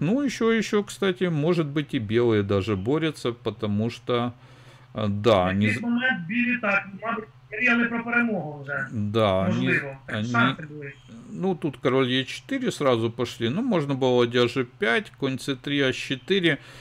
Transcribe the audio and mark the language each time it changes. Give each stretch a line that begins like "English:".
Russian: Ну, еще, кстати, может быть, и белые даже борются, потому что да, они...
Ukrainian: В якийсь момент білі так, мабуть, мріяли про перемогу вже. Да, можливо. Они... Так, шанси були.
Russian: Ну, тут король Е4 сразу пошли. Ну,
Ukrainian: можна було
Russian: ладья G5, конь C3, H4.